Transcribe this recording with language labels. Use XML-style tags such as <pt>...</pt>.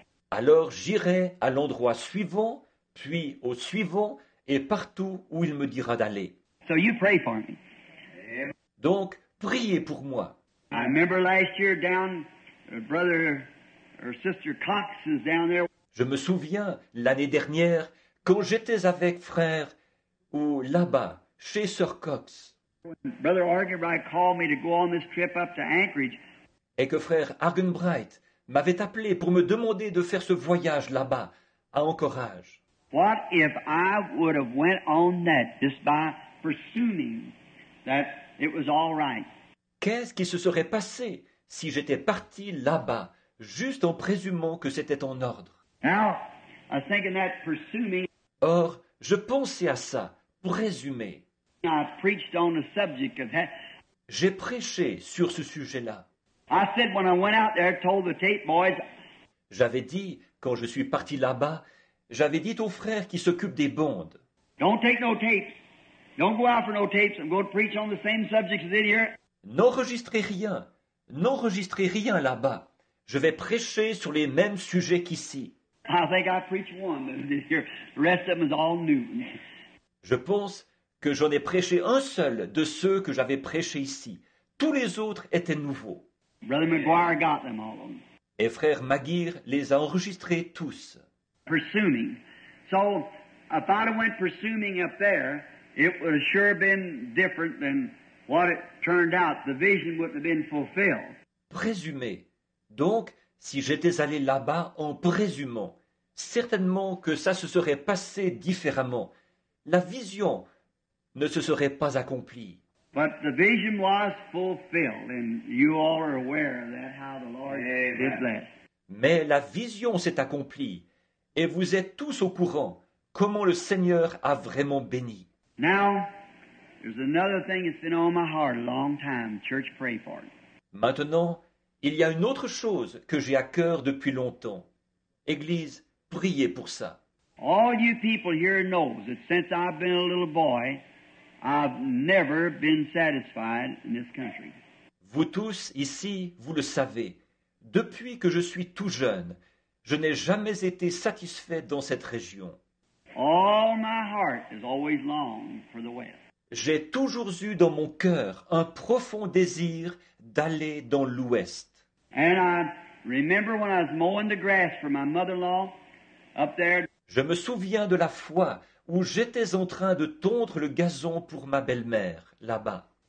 <fr>Alors j'irai à l'endroit suivant, puis au suivant et partout où il me dira d'aller.</fr> <en>So you pray for me.</en> <fr>Donc priez pour moi.</fr> <en>I remember last year down, brother or sister Cox is down there.</en> <fr>Je me souviens l'année dernière quand j'étais avec frère ou là-bas. Chez Sir Cox.</fr> <en>Brother Argenbright called me to go on this trip up to Anchorage.</en> <fr>Et que frère Argenbright m'avait appelé pour me demander de faire ce voyage là-bas à Anchorage.</fr> <en>What if I would have went on that just by presuming that it was all right?</en> <fr>Qu'est-ce qui se serait passé si j'étais parti là-bas juste en présumant que c'était en ordre?</fr> <en>Now, I think in that presuming.</en> <fr>Or, je pensais à ça. Pour résumer,</fr> <en>I preached on the subject of that.</en> <fr>J'ai prêché sur ce sujet-là.</fr> <en>I said when I went out there, told the tape boys.</en> <fr>J'avais dit quand je suis parti là-bas, j'avais dit aux frères qui s'occupent des bondes.</fr> <en>Don't take no tapes. Don't go out for no tapes. I'm going to preach on the same subject as in here.</en> <fr>N'enregistrez rien. N'enregistrez rien là-bas. Je vais prêcher sur les mêmes sujets qu'ici.</fr> <en>I think I preached one this year. The rest of them is all new.</en> <fr>Je pense que j'en ai prêché un seul de ceux que j'avais prêché ici. Tous les autres étaient nouveaux.</fr> <en>Brother McGuire got them all.</en> <fr>Et frère Maguire les a enregistrés tous.</fr> <en>Presuming. So, if I'd went presuming up there, it would have sure been different than what it turned out. The vision wouldn't have been fulfilled.</en> <fr>Présumé. Donc, si j'étais allé là-bas en présumant, certainement que ça se serait passé différemment. La vision ne se serait pas accomplie.</fr> <en>But the vision was fulfilled, and you all are aware that how the Lord did that.</en> <fr>Mais la vision s'est accomplie, et vous êtes tous au courant comment le Seigneur a vraiment béni.</fr> <en>Now, there's another thing that's been on my heart a long time. Church, pray for it.</en> <fr>Maintenant, il y a une autre chose que j'ai à cœur depuis longtemps. Église, priez pour ça.</fr> <en>All you people here know that since I've been a little boy, I've never been satisfied in this country.</en> <fr>Vous tous ici, vous le savez. Depuis que je suis tout jeune, je n'ai jamais été satisfait dans cette région.</fr> <en>All my heart is always longed for the West.</en> <fr>J'ai toujours eu dans mon cœur un profond désir d'aller dans l'Ouest.</fr> <en>And I remember when I was mowing the grass for my mother-in-law up there.</en> <fr>Je me souviens de la fois où j'étais en train de tondre le gazon pour ma belle-mère, là-bas.</fr>